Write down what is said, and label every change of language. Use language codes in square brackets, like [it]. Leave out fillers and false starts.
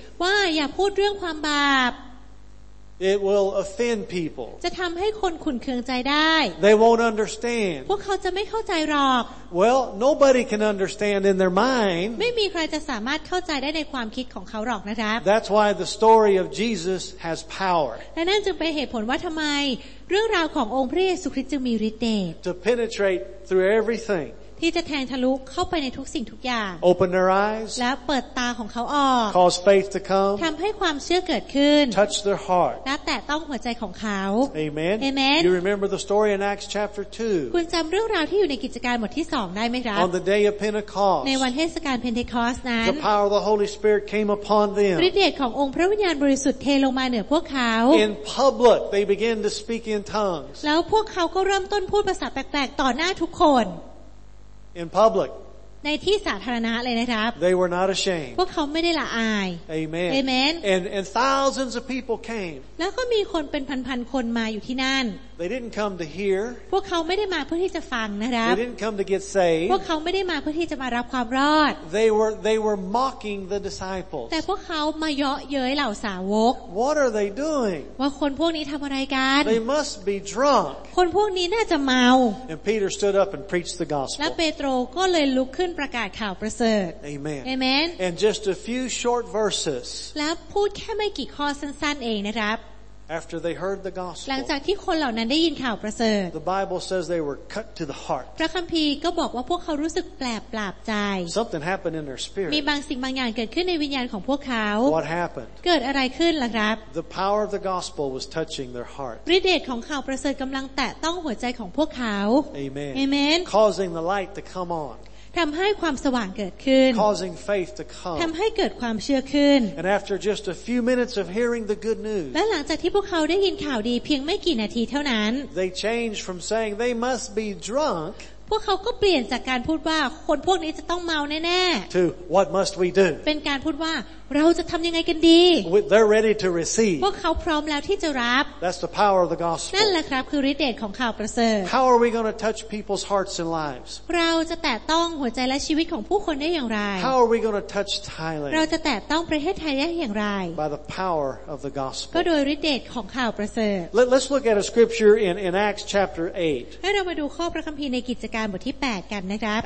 [th] ว่าอย่าพูดเรื่องความบาป [en] It will offend people. [th] จะทำให้คนขุ่นเคืองใจได้ [en] They won't understand. [th] พวกเขาจะไม่เข้าใจหรอก [en] Well, nobody can understand in their mind. [th] ไม่มีใครจะสามารถเข้าใจได้ในความคิดของเขาหรอกนะครับ [en] That's why the story of Jesus has power. [th] และนั่นจึงเป็นเหตุผลว่าทำไมเรื่องราวขององค์พระเยซูคริสต์จึงมีฤทธิ์เดช [en] To penetrate through everything. [th] ที่จะแทงทะลุเข้าไปในทุกสิ่งทุกอย่าง [en] Open their eyes [th] และเปิดตาของเขาออก [en] Cause faith to come [th] ทำให้ความเชื่อเกิดขึ้น [en] Touch their heart [th] และแตะต้องหัวใจของเขา [en] Amen Amen You remember the story in Acts chapter 2 [th] คุณจำเรื่องราวที่อยู่ในกิจการบทที่2ได้ไหมครับ [en] On the day of Pentecost [th] ในวันเทศกาลเพนเทคอสต์นั้น [en] The power of the Holy Spirit came upon them [th] ฤทธิ์เดชขององค์พระวิญญาณบริสุทธิ์เทลงมาเหนือพวกเขา [en] In public they began to speak in tongues [th] แล้วพวกเขาก็เริ่มต้นพูดภาษาแปลกๆต่อหน้าทุกคน [en] In public, [th] ในที่สาธารณะเลยนะครับ [en] They were not ashamed. [th] พวกเขาไม่ได้ละอาย [en] Amen. Amen. And thousands of people came. [th] แล้วก็มีคนเป็นพันๆคนมาอยู่ที่นั่น [en] They didn't come to hear. [th] พวกเขาไม่ได้มาเพื่อที่จะฟังนะครับ [en] They didn't come to get saved. [th] พวกเขาไม่ได้มาเพื่อที่จะมารับความรอด [en] They were mocking the disciples. [th] แต่พวกเขามาเยาะเย้ยเหล่าสาวก [en] What are they doing? [th] ว่าคนพวกนี้ทำอะไรกัน [en] They must be drunk. [th] คนพวกนี้น่าจะเมา [en] And Peter stood up and preached the gospel. [th] และเปโตรก็เลยลุกขึ้นประกาศข่าวประเสริฐ [en] Amen. Amen. And just a few short verses. [th] แล้วพูดแค่ไม่กี่ข้อสั้นๆเองนะครับ [en] After they heard the gospel, [th] หลังจากที่คนเหล่านั้นได้ยินข่าวประเสริฐ [en] the Bible says they were cut to the heart. [th] พระคัมภีร์ก็บอกว่าพวกเขารู้สึกแปลกปราบใจ [en] Something happened in their spirit. [th] มีบางสิ่งบางอย่างเกิดขึ้นในวิญญาณของพวกเขา [en] What happened? [th] เกิดอะไรขึ้นล่ะครับ [en] The power of the gospel was touching their heart. [th] ฤทธิ์เดชของข่าวประเสริฐกำลังแตะต้องหัวใจของพวกเขา [en] Amen. Amen. Causing the light to come on. [th] ทำให้ความสว่างเกิดขึ้น [en] causing faith to come [th] ทำให้เกิดความเชื่อขึ้น [en] and after just a few minutes of hearing the good news [th] และหลังจากที่พวกเขาได้ยินข่าวดีเพียงไม่กี่นาทีเท่านั้น [en] they changed from saying they must be drunk [th] พวกเขาก็เปลี่ยนจากการพูดว่าคนพวกนี้จะต้องเมาแน่ๆ [en] to what must we do [th] เป็นการพูดว่าเราจะทำยังไงกันดี [en] they're ready to receive [th] พวกเขาพร้อมแล้วที่จะรับ [en] that's the power of the gospel [th] นั่นแหละครับคือฤทธิ์เดชของข่าวประเสริฐ [en] how are we going to touch people's hearts and lives [th] เราจะแตะต้องหัวใจและชีวิตของผู้คนได้อย่างไร [en] how are we going to touch Thailand [th] เราจะแตะต้องประเทศไทยได้อย่างไร [en] by the power of the gospel [th] ก็โดยฤทธิ์เดชของข่าวประเสริฐ [en] let's look at a scripture in Acts chapter 8 [th] ให้เรามาดูข้อพระคัมภีร์ในกิจการบทที่8กันนะครับ